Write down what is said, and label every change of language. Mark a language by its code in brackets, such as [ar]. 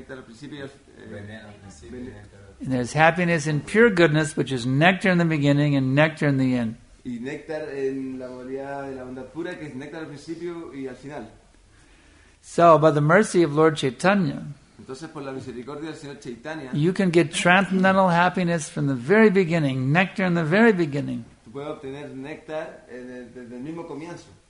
[en] And there's happiness in pure goodness, which is nectar in the beginning and nectar in the end. [es] Y néctar en la modalidad de la bondad pura, que es néctar al principio y al final. [en] So, by the mercy of Lord Chaitanya, [es] entonces, por la misericordia del Señor Chaitanya, [en] you can get transcendental happiness from the very beginning, néctar in the very beginning. [es] Tú puedes obtener néctar desde el mismo comienzo.